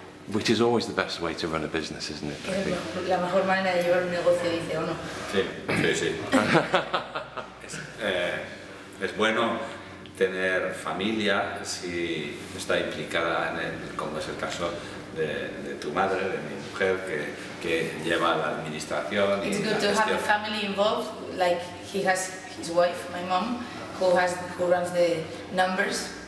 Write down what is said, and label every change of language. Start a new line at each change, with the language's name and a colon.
English: Which is always the best way to run a business, isn't it?
Spanish: La mejor manera de llevar un negocio, dice uno. Sí, sí, sí. Es bueno tener familia si está implicada en el, como es el caso de tu madre, de mi mujer, que lleva la administración.
English: It's good to have a family involved, like he has his wife, my mom, who runs the numbers.